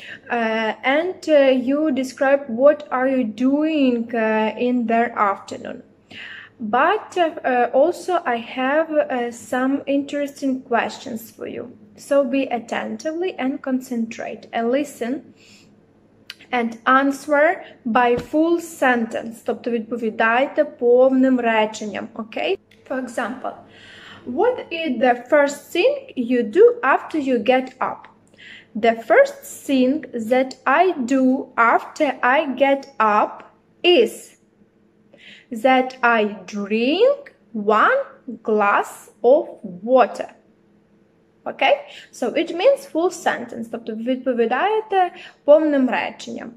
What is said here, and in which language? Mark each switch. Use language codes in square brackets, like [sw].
[en] And you describe what are you doing in the afternoon. But also I have some interesting questions for you. So be attentively and concentrate and listen and answer by full sentence. [uk] Тобто відповідайте повним реченням, okay? [en] For example, what is the first thing you do after you get up? The first thing that I do after I get up is that I drink one glass of water. Okay? So it means full sentence. [uk] Тобто відповідаєте повним реченням.